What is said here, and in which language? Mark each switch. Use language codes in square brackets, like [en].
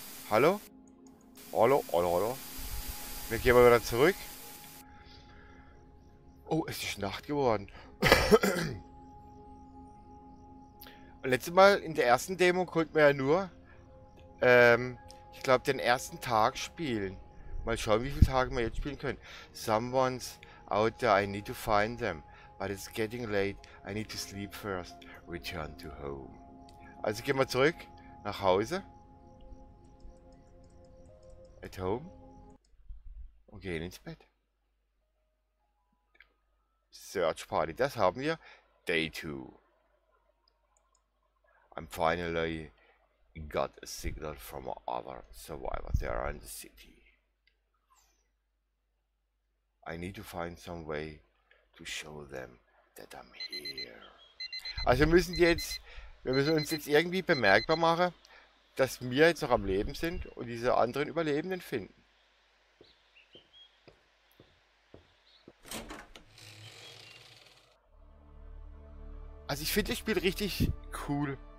[de] Hallo? Hallo, hallo, hallo. Wir gehen mal wieder zurück. Oh, es ist Nacht geworden. Und letztes Mal in der ersten Demo konnten wir ja nur, ich glaube, den ersten Tag spielen. Mal schauen, wie viele Tage wir jetzt spielen können. [en] Someone's out there, I need to find them. But it's getting late, I need to sleep first. Return to home. [de] Also gehen wir zurück nach Hause. [en] At home. [de] Und gehen ins Bett. Search Party, das haben wir. [en] Day 2. I'm finally got a signal from other survivors. They are in the city. I need to find some way to show them that I'm here. [de] Also wir müssen uns jetzt irgendwie bemerkbar machen, dass wir jetzt noch am Leben sind und diese anderen Überlebenden finden. Also ich finde das Spiel richtig cool.